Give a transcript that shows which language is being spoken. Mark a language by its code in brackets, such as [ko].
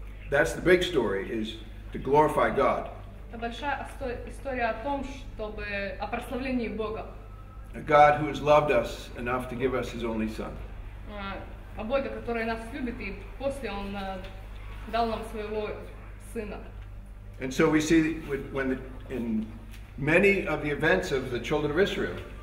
[en] That's the big story, is to glorify God. [ru] Это большая история о том, чтобы о прославлении Бога. [en] A God who has loved us enough to give us his only son. [ru] О Боге, который нас любит, и после он дал нам своего сына. [en] And so we see when the, in many of the events of the children of Israel,